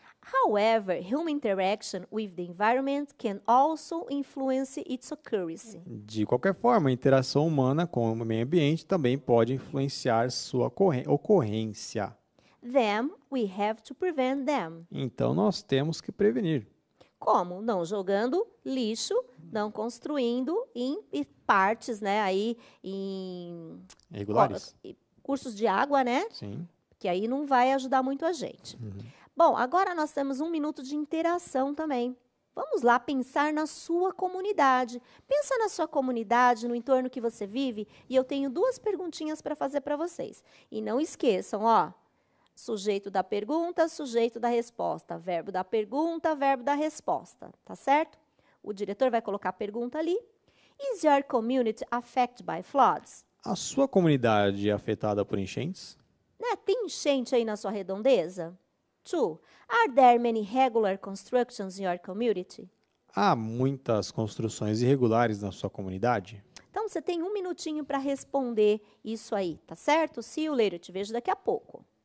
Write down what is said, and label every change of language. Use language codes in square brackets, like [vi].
[en] However, human interaction with the environment can also influence its occurrence. [pt] De qualquer forma, a interação humana com o meio ambiente também pode influenciar sua ocorrência. [en] Then, we have to prevent them. [pt] Então, nós temos que prevenir. Como? Não jogando lixo, não construindo em partes, né, aí em... Regulares. Cursos de água, né? Sim. Que aí não vai ajudar muito a gente. Uhum. Bom, agora nós temos um minuto de interação também. Vamos lá pensar na sua comunidade. Pensa na sua comunidade, no entorno que você vive, e eu tenho duas perguntinhas para fazer para vocês. E não esqueçam, ó... Sujeito da pergunta, sujeito da resposta. Verbo da pergunta, verbo da resposta. Tá certo? O diretor vai colocar a pergunta ali. [en] Is your community affected by floods? [pt] A sua comunidade é afetada por enchentes? Né? Tem enchente aí na sua redondeza? Two. [en] Are there many regular constructions in your community? [pt] Há muitas construções irregulares na sua comunidade? Então, você tem um minutinho para responder isso aí. Tá certo? [en] See you later. [pt] Eu te vejo daqui a pouco.